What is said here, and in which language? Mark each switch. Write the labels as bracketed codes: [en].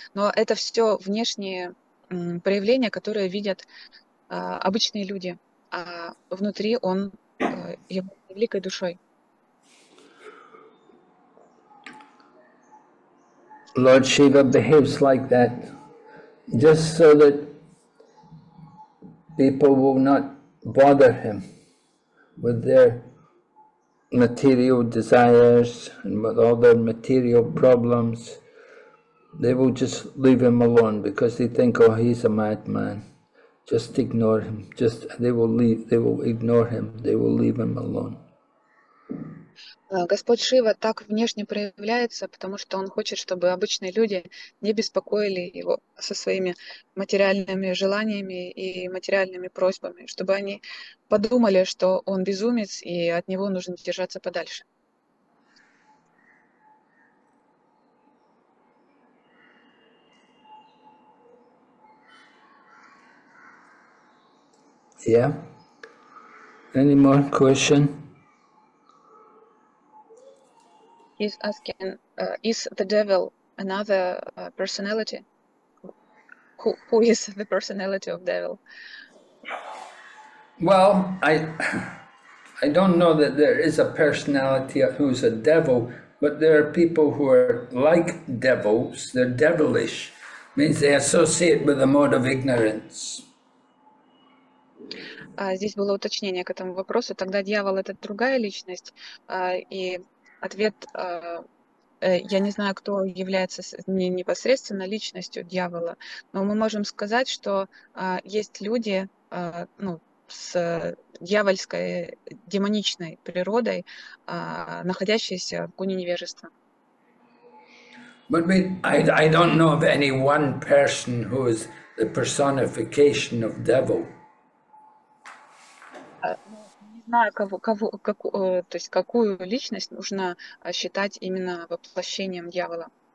[ru] Но это все внешние проявления, которые видят обычные люди, а внутри он является великой душой. [en] Lord Shiva behaves like that just so that people will not bother him with their material desires and with all their material problems. They will just leave him alone because they think, oh, he's a madman. Just ignore him. Just they will leave. They will ignore him. They will leave him alone. [ru] Господь Шива так внешне проявляется, потому что он хочет, чтобы обычные люди не беспокоили его со своими материальными желаниями и материальными просьбами, чтобы они подумали, что он безумец, и от него нужно держаться подальше. [en] Yeah. Any more question? He's asking, is the devil another personality? Who is the personality of devil? Well, I don't know that there is a personality who's a devil, but there are people who are like devils. They're devilish, means they associate with a mode of ignorance. [ru] Здесь было уточнение к этому вопросу. Тогда дьявол — это другая личность, и ответ, я не знаю, кто является непосредственно личностью дьявола, но мы можем сказать, что есть люди ну, с дьявольской, демоничной природой, находящиеся в куне невежества. [en] But I don't know of any one person who is the personification of devil. [ru] Не знаю, то есть какую личность нужно считать именно воплощением дьявола.